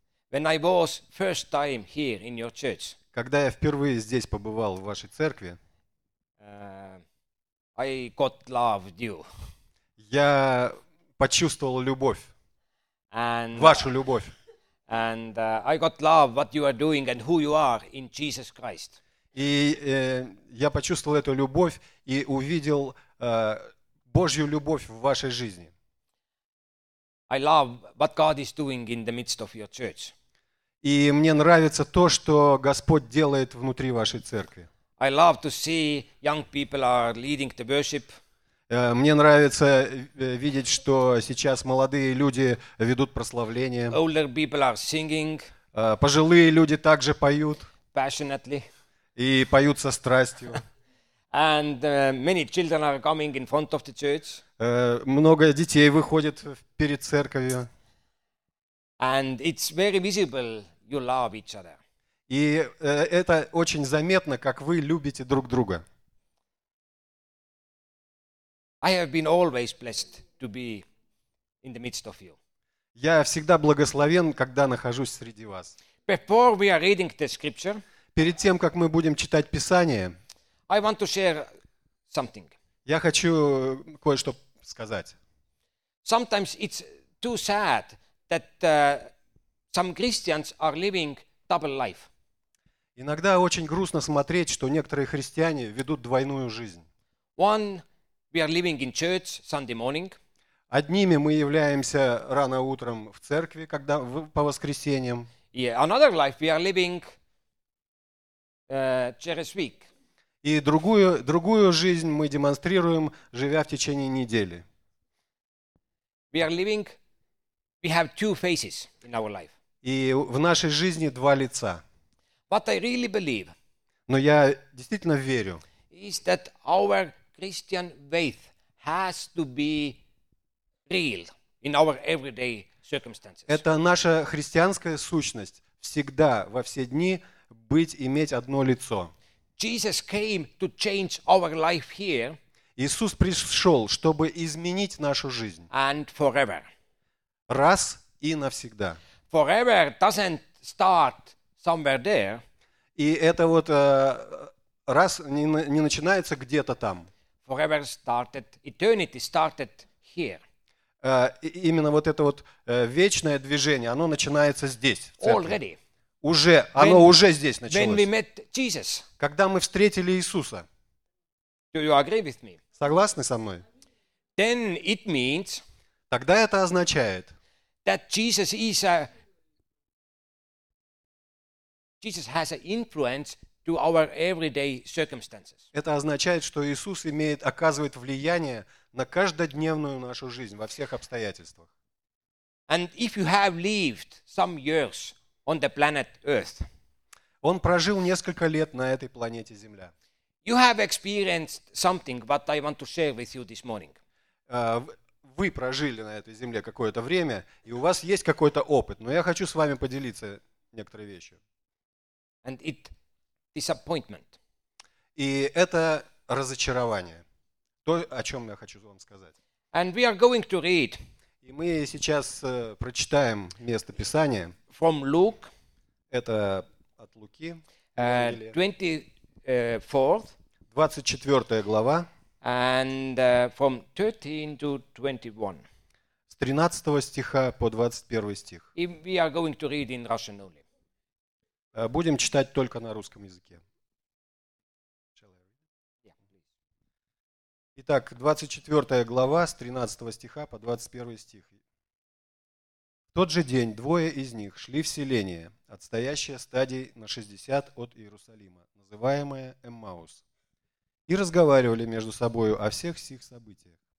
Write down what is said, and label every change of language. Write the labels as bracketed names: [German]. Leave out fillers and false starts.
[English] When I was first time here in your church. [Russian] Когда я впервые здесь побывал в вашей церкви. [English] I got loved you. [Russian] Я почувствовал любовь. [English] And [Russian] вашу любовь. [English] And I got love what you are doing and who you are in Jesus Christ. [Russian] И я почувствовал эту любовь и увидел Божью любовь в вашей жизни. [English] I love what God is doing in the midst of your church. [Russian] И мне нравится то, что Господь делает внутри вашей церкви. [English] I love to see young people are leading the worship. [Russian] Мне нравится видеть, что сейчас молодые люди ведут прославление. [English] Older people are singing. [Russian] Пожилые люди также поют. [English] Passionately. [Russian] И поют со страстью. [English] And many children are coming in front of the church. [Russian] Много детей выходит перед церковью. [English] And it's very visible you love each other. [Russian] И это очень заметно, как вы любите друг друга. [English] I have been always blessed to be in the midst of you. [Russian] Я всегда благословен, когда нахожусь среди вас. [English] Before we are reading the scripture, [Russian] перед тем, как мы будем читать Писание, [English] I want to share something. [Russian] Я хочу кое-что сказать. [English] Sometimes it's too sad that some Christians are living double life. [Russian] Иногда очень грустно смотреть, что некоторые христиане ведут двойную жизнь. [English] One, we are living in church Sunday morning. [Russian] Одними мы являемся рано утром в церкви, когда по воскресеньям. [English] Yeah, another life we are living [Russian] через [English] week. [Russian] И другую жизнь мы демонстрируем, живя в течение недели. [English] We are living, we have two faces in our life. [Russian] И в нашей жизни два лица. [English] What I really believe. [Russian] Но я действительно верю. [English] Is that our Christian faith has to be real in our everyday circumstances. [Russian] Это наша христианская сущность всегда во все дни быть иметь одно лицо. [English] Jesus came to change our life here. [Russian] Иисус пришел, чтобы изменить нашу жизнь. [English] And forever. [Russian] Раз и навсегда. [English] Forever doesn't start somewhere there. [Russian] И это вот раз не начинается где-то там. [English] Forever started. Eternity started here. [Russian] Именно вот это вот вечное движение, оно начинается здесь, в церкви. [English] Already. [Russian] Уже, оно уже здесь началось. [English] When we met Jesus. [Russian] Когда мы встретили Иисуса. [English] Do you agree with me? [Russian] Согласны со мной? [English] Then it means, [Russian] тогда это означает, [English] that Jesus is a, Jesus has an influence to our everyday circumstances. [Russian] Это означает, что Иисус имеет, оказывает влияние на каждодневную нашу жизнь во всех обстоятельствах. [English] And if you have lived some years on the planet Earth, [Russian] он прожил несколько лет на этой планете Земля. [English] You have experienced something, what I want to share with you this morning. [Russian] Вы прожили на этой Земле какое-то время, и у вас есть какой-то опыт, но я хочу с вами поделиться некоторой вещью. [English] And it disappointment. [Russian] И это разочарование. То, о чем я хочу вам сказать. [English] And we are going to read. [Russian] И мы сейчас прочитаем место Писания. [English] From Luke. [Russian] Это от Луки. [English] 24 [Russian] глава. [English] And from 13 to 21. [Russian] С 13 стиха по 21 стих. [English] And we are going to read in Russian only. [Russian] Будем читать только на русском языке. Итак, 24 глава, с 13 стиха по 21 стих. В тот же день двое из них шли в селение, отстоящее стадий на 60 от Иерусалима, называемое Эммаус, и разговаривали между собою о всех сих событиях.